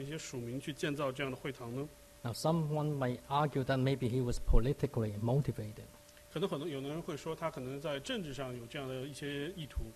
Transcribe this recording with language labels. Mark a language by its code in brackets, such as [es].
[zh] 所以我们可能会问，为什么这样的一个百夫长会为他的这样一些属民去建造这样的会堂呢？ [en] Now someone might argue that maybe he was politically motivated. [zh] 可能有的人会说他可能在政治上有这样的一些意图。